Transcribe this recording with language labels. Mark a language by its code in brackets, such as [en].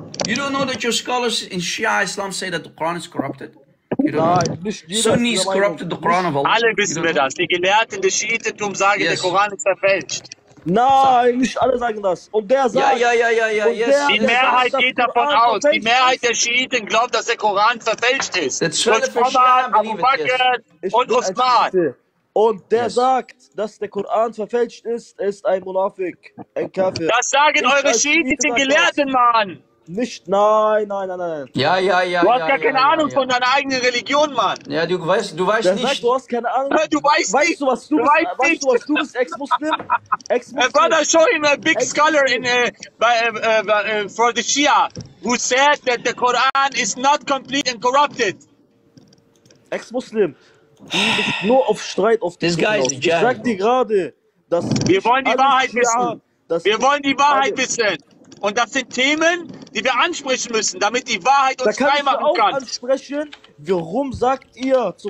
[en] You don't know that your scholars in Shia Islam say that the Koran is corrupted. [de] Nein, [en] Sunnis corrupted the Quran of Allah. [de] Alle wissen wir das. Die Gelehrten des Schiitentum sagen, der Koran ist verfälscht. Nein, nicht alle sagen das. Und der sagt. Ja. Die Mehrheit geht davon aus. Die Mehrheit der Schiiten glaubt, dass der Koran verfälscht ist. Und Omar, Abu Bakr und Osman. Und der sagt, dass der Koran verfälscht ist, ist ein Munafik, ein Kafir. Das sagen eure schiitischen Gelehrten, Mann. Nicht, nein. Ja. Du hast gar keine Ahnung von deiner eigenen Religion, Mann. Ja, du weißt der nicht. Sagt, du hast keine Ahnung. Weißt du, was du bist, Ex-Muslim? [en] Ex-Muslim. Brother, show him a big Ex-Muslim. Scholar for the Shia, who said that the Quran is not complete and corrupted. [de] Ex-Muslim, du bist nur auf Streit auf [en] this guy is [de] ich sag dir gerade, dass wir wollen die Wahrheit wissen. Wir wollen die Wahrheit wissen. Und das sind Themen, die wir ansprechen müssen, damit die Wahrheit uns frei machen kann. Da kann ich auch ansprechen, warum sagt ihr zum